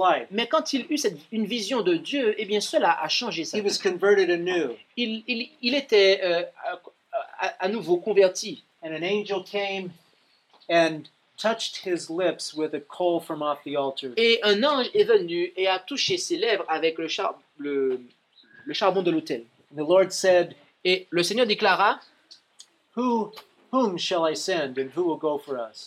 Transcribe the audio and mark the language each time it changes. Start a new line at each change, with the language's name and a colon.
French: mais quand il eut une vision de Dieu, eh bien cela a changé sa vie.
English: He was converted anew.
French: Il était à nouveau converti.
English: And an angel came and touched his lips with a coal from off the altar.
French: Et un ange est venu et a touché ses lèvres avec le charbon de l'autel.
English: And the Lord said,
French: et le Seigneur déclara,
English: whom shall I send and who will go for us?